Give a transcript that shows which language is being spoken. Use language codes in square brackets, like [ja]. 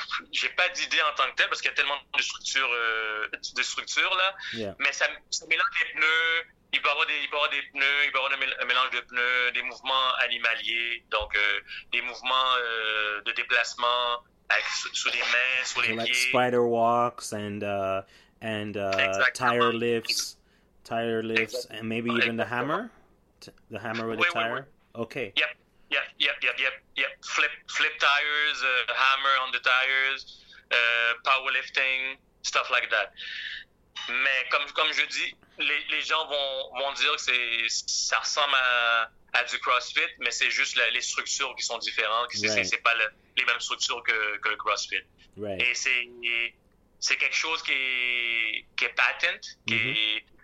[fr] J'ai pas d'idée en tant que tel parce qu'il y a tellement de structures là. [en] Yeah. [fr] Mais ça mélange les pneus. Il va y avoir un mélange de pneus, des mouvements animaliers, donc des mouvements de déplacement. Sous les mains, sous les [en] like [fr] pieds. [en] Spider walks and tire lifts, exactly. And maybe even exactly. the hammer with the tire. Wait. Okay. Yep. Flip tires, hammer on the tires, powerlifting, stuff like that. [fr] Mais comme je dis, les gens vont dire que ça ressemble à du CrossFit, mais c'est juste les structures qui sont différentes. Right. C'est pas les mêmes structures que le CrossFit. [en] Right. [fr] Et c'est quelque chose qui est patent, qui mm-hmm.